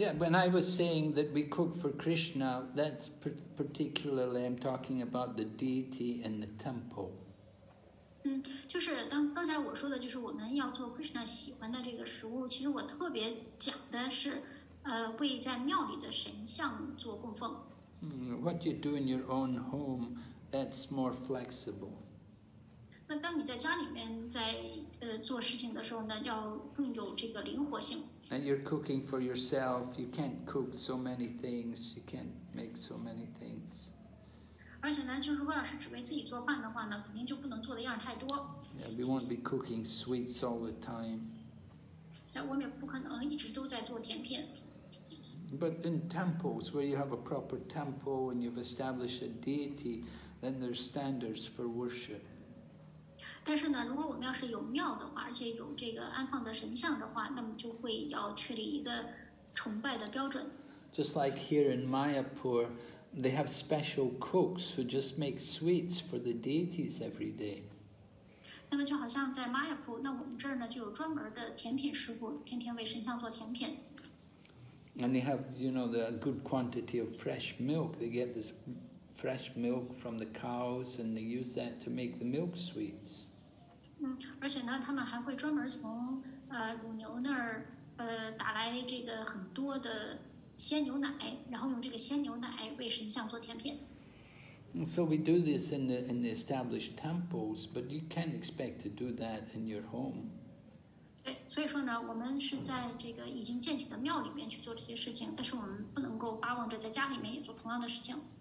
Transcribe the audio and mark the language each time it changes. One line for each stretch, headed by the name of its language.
English: Yeah, when I was saying that we cook for Krishna, that's particularly I'm talking about the deity and the temple.
Chinese: 就是刚才我说的就是我们要做 Krishna 喜欢的这个食物，其实我特别讲的是为在庙里的神像做供奉。
English: What you do in your own home, that's more flexible.
Chinese: 那当你在家里面在做事情的时候呢，要更有这个灵活性。
English: And you're cooking for yourself. You can't cook so many things. You can't make so many things.
Chinese: 而且呢，就是如果要是只为自己做饭的话呢，肯定就不能做的样太多。
English: Yeah, we won't be cooking sweets all the time.
Chinese: 那我们也不可能一直都在做甜品。
English: But in temples, where you have a proper temple and you've established a deity, then there's standards for worship.
Chinese: 但是呢，如果我们要是有庙的话，而且有这个安放的神像的话，那么就会要确立一个崇拜的标准。
English: Just like here in Mayapur, they have special cooks who just make sweets for the deities every day.
Chinese: 那么就好像在 Mayapur, 那我们这儿呢就有专门的甜品师傅，天天为神像做甜品。
English: And they have, you know, the good quantity of fresh milk. They get this fresh milk from the cows and they use that to make the milk sweets.
Chinese: 而且呢，他们还会专门从乳牛那儿打来这个很多的鲜牛奶，然后用这个鲜牛奶为神像做甜品。
English: So we do this in the established temples, but you can't expect to do that in your home.
Chinese: 对，所以说呢，我们是在这个已经建起的庙里面去做这些事情，但是我们不能够巴望着在家里面也做同样的事情。